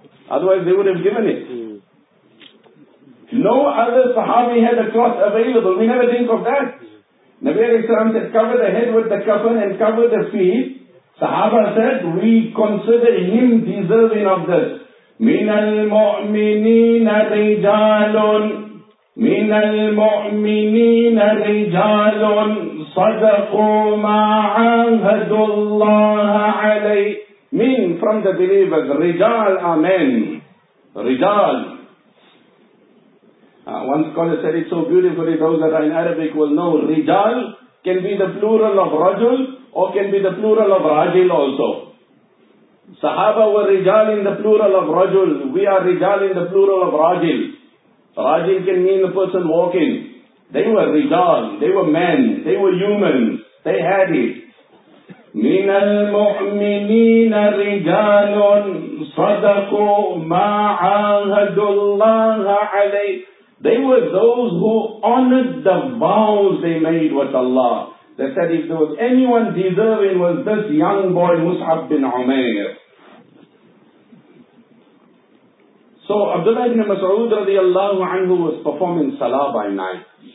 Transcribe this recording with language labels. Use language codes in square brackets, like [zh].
[en] Otherwise they would have given it. No other Sahabi had a cloth available. We never think of that. Nabi alayhi salam said, cover the head with the kafan and cover the feet. Sahaba said, we consider him deserving of this. [ar] من المؤمنين رجال صدقوا ما عاهدوا الله عليه. [en] Mean from the believers, [ar] رجال آمين. رجال. [en] One scholar said it so beautifully, those that are in Arabic will know, رجال can be the plural of رجل or can be the plural of راجل also. Sahaba were rijal in the plural of rajul. We are rijal in the plural of rajil. Rajil can mean the person walking. They were rijal. They were men. They were humans. They had it. [ar] من المؤمنين رجال صدقوا ما عاهدوا الله عليه. [en] They were those who honored the vows they made with Allah. They said if there was anyone deserving was this young boy Mus'ab bin Umair. So Abdullah ibn Mas'ud radiallahu anhu was performing salah by night.